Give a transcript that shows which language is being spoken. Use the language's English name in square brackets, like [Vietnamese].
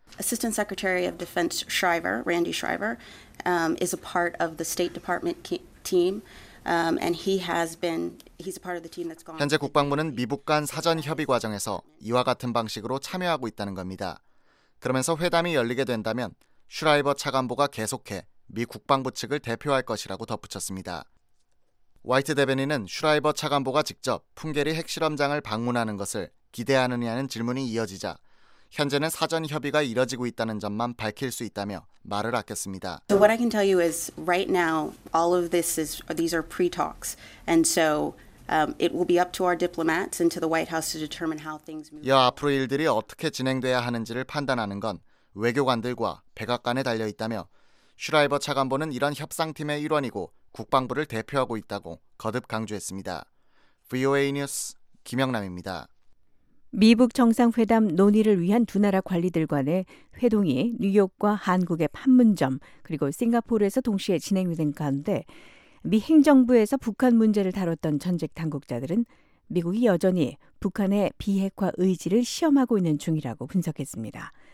[English] Assistant Secretary of Defense Shriver, Randy Shriver, is a part of the State Department team, and he's a part of the team that's gone. [Korean] 현재 국방부는 미북 간 사전 협의 과정에서 이와 같은 방식으로 참여하고 있다는 겁니다. 그러면서 회담이 열리게 된다면 슈라이버 차관보가 계속해 미 국방부 측을 대표할 것이라고 덧붙였습니다. 화이트 대변인은 슈라이버 차관보가 직접 풍계리 핵실험장을 방문하는 것을 기대하느냐는 질문이 이어지자 현재는 사전 협의가 이뤄지고 있다는 점만 밝힐 수 있다며 말을 아꼈습니다. [English] So what I can tell you is right now all of this is these are pre-talks and so it will be up to our diplomats and to the White House to determine how things move. [Korean] 이어 앞으로 일들이 어떻게 진행돼야 하는지를 판단하는 건 외교관들과 백악관에 달려 있다며 슈라이버 차관보는 이런 협상팀의 일원이고 국방부를 대표하고 있다고 거듭 강조했습니다. VOA 뉴스 김영남입니다. 미북 정상회담 논의를 위한 두 나라 관리들 간의 회동이 뉴욕과 한국의 판문점 그리고 싱가포르에서 동시에 진행된 가운데 미 행정부에서 북한 문제를 다뤘던 전직 당국자들은 미국이 여전히 북한의 비핵화 의지를 시험하고 있는 중이라고 분석했습니다.